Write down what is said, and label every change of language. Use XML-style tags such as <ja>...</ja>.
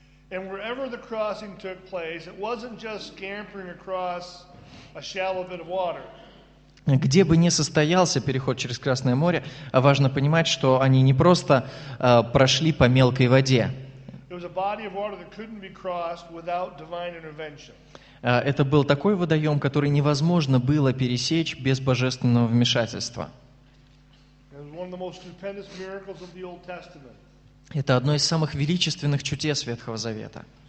<en>And wherever the crossing took place, it wasn't just scampering across a shallow bit of water.</en> <ru>Где бы ни состоялся переход через Красное море, важно понимать, что они не просто прошли по мелкой воде.</ru> <en>It was a body of water that couldn't be crossed without divine intervention.</en> <ru>Это был такой водоем, который невозможно было пересечь без божественного вмешательства.</ru> <en>It was one of the most stupendous miracles of the Old Testament.</en> <ru>Это одно из самых величественных чудес Ветхого Завета.</ru>